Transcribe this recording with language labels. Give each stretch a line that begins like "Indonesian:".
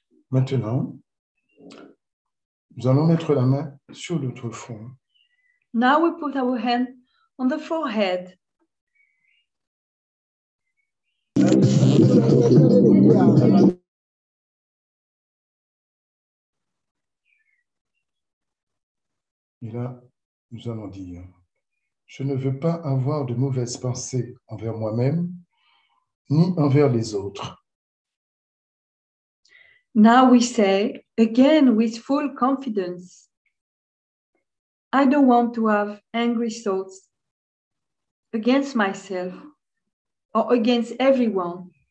French: Maintenant, nous allons mettre la main sur notre front.
English: Now we put our hand on the forehead.
French: Et là, nous allons dire, je ne veux pas avoir de mauvaises pensées envers moi-même, ni envers les autres.
English: Now we say, again with full confidence, I don't want to have angry thoughts against myself or against everyone.